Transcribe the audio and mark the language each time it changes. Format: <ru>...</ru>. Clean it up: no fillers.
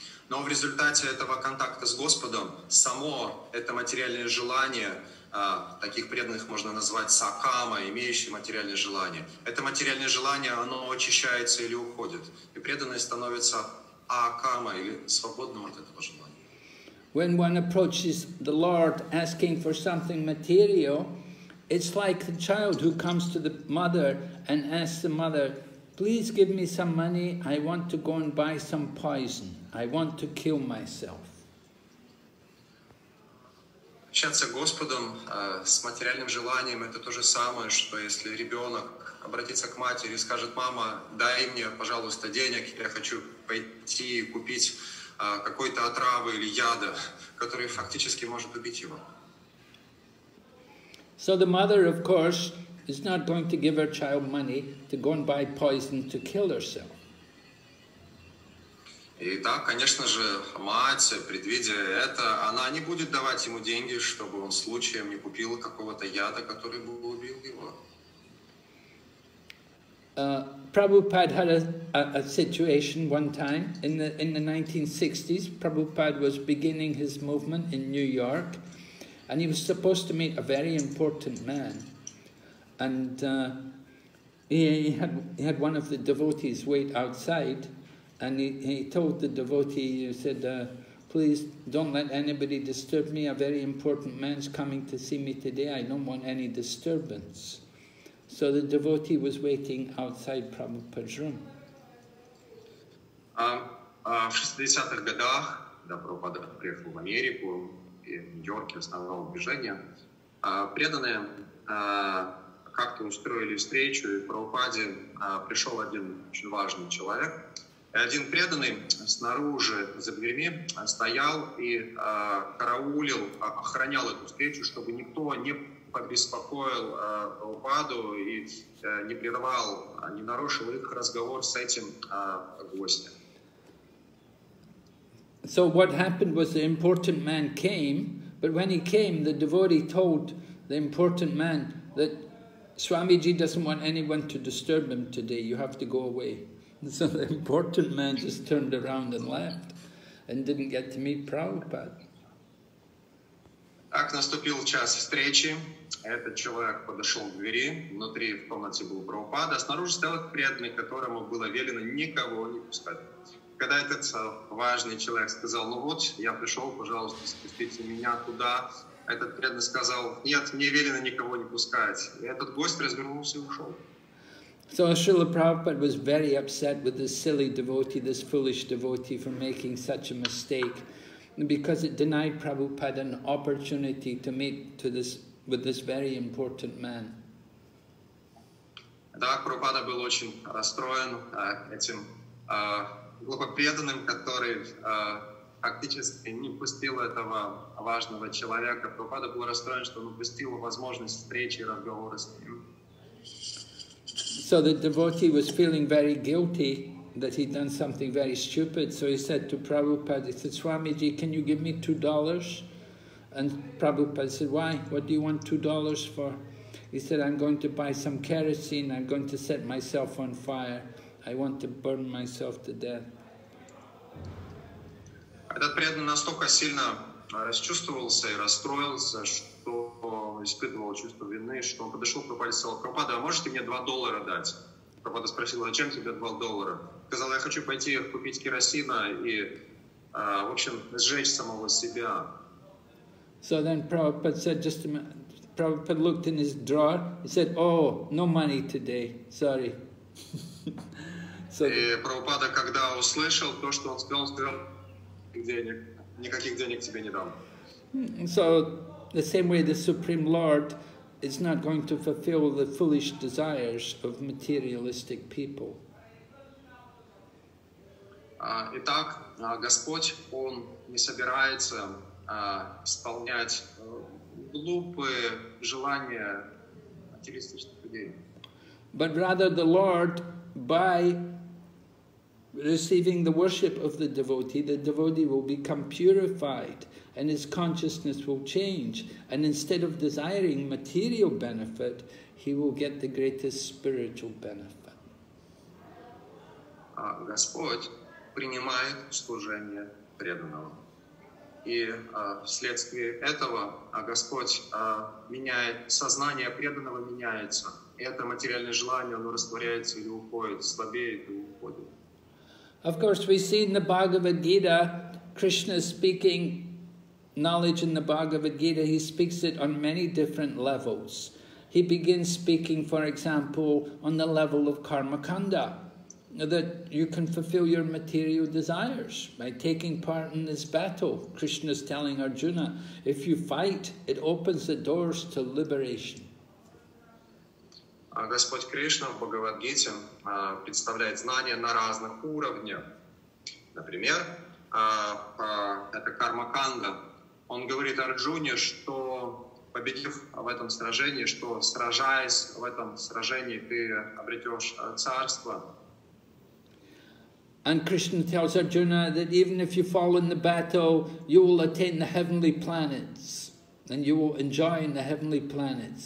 <ru>Но в результате этого контакта с Господом, само это материальное желание, таких преданных можно назвать сакама, имеющие материальное желание, это материальное желание, оно очищается или уходит, и преданный становится акама, или свободным от этого желания.</ru> <en>When one approaches the Lord asking for something material, it's like the child who comes to the mother and asks the mother, please give me some money, I want to go and buy some poison, I want to kill myself.</en> <ru>Общаться с Господом с материальным желанием – это то же самое, что если ребенок обратится к матери и скажет, мама, дай мне, пожалуйста, денег, я хочу пойти и купить какой-то отравы или яда, который фактически может убить его.</ru> <en>So the mother, of course, is not going to give her child money to go and buy poison to kill herself.</en> <ru>И так, конечно же, мать, предвидя это, она не будет давать ему деньги, чтобы он случаем не купил какого-то яда, который бы убил его.</ru> <en>Prabhupada had a situation one time in the 1960s. Prabhupada was beginning his movement in New York, and he was supposed to meet a very important man. And he had one of the devotees wait outside, and he told the devotee, he said, please don't let anybody disturb me. A very important man's coming to see me today. I don't want any disturbance. So the devotee was waiting outside Prabhupada's room.</en> <ru>В 60-х годах, когда Прабхупада приехал в Америку, и в Нью-Йорке основал движение, преданные как-то устроили встречу, и в Прабхупаде пришел один очень важный человек. И один преданный снаружи, за дверьми, стоял и караулил, охранял эту встречу, чтобы никто не побеспокоил Прабхупаду и не прервал, не нарушил их разговор с этим гостем.</ru> <en>So what happened was the important man came, but when he came, the devotee told the important man that Swamiji doesn't want anyone to disturb him today, you have to go away. And so the important man just turned around and left and didn't get to meet Prabhupada.</en> <ru>Так наступил час встречи, этот человек подошел к двери, внутри в комнате был Прабхупада, снаружи стоял преданный, которому было велено никого не пускать. Когда этот важный человек сказал, ну вот, я пришел, пожалуйста, спустите меня туда, этот преданный сказал, нет, мне велено никого не пускать. И этот гость развернулся и ушел.</ru> <en>So Srila Prabhupada was very upset with this silly devotee, this foolish devotee for making such a mistake, because it denied Prabhupada an opportunity to meet with this very important man.</en> <ru>Так, Прабхупада был очень расстроен этим глубоко преданным, который фактически не пустил этого важного человека. Прабхупада был расстроен, что он упустил возможность встречи и разговора с ним.</ru> <en>So the devotee was feeling very guilty that he'd done something very stupid. So he said to Prabhupada, he said, Swamiji, can you give me $2? And Prabhupada said, why? What do you want $2 for? He said, I'm going to buy some kerosene, I'm going to set myself on fire. I want to burn myself to death.</en> <ru>Этот преданный настолько сильно расчувствовался и расстроился, что испытывал чувство вины, что он подошел к Прабхупаде и сказал, Прабхупада, а можете мне $2 дать? Прабхупада спросил, зачем тебе $2? Сказал, я хочу пойти купить керосина и, в общем, сжечь самого себя.</ru> <en>So then Prabhupada said, just a minute. Prabhupada looked in his drawer, he said, oh, no money today, sorry.</en> <ru>So и Прабхупада, когда услышал то, что он сказал, никаких денег тебе не дам.</ru> <en>So the same way the Supreme Lord is not going to fulfill the foolish desires of materialistic people.</en> <ru>Итак, Господь, Он не собирается исполнять глупые желания материалистических людей.</ru> <en>But rather the Lord, by receiving the worship of the devotee will become purified and his consciousness will change. And instead of desiring material benefit, he will get the greatest spiritual benefit.</en> <ru>Господь принимает служение преданного. И вследствие этого Господь меняет сознание преданного, меняется. И это материальное желание, оно растворяется или уходит, слабеет и уходит.</ru> <en>Of course, we see in the Bhagavad Gita, Krishna speaking knowledge in the Bhagavad Gita, he speaks it on many different levels. He begins speaking, for example, on the level of karmakanda, that you can fulfill your material desires by taking part in this battle. Krishna's telling Arjuna, if you fight, it opens the doors to liberation.</en> <ru>А Господь Кришна в Бхагавад-гите представляет знания на разных уровнях. Например, это карма-канда. Он говорит Арджуне, что победив в этом сражении, что сражаясь в этом сражении, ты обретешь царство.</ru> <en>And Krishna tells Arjuna that even if you fall in the battle, you will attain the heavenly planets, and you will enjoy in the heavenly planets.</en>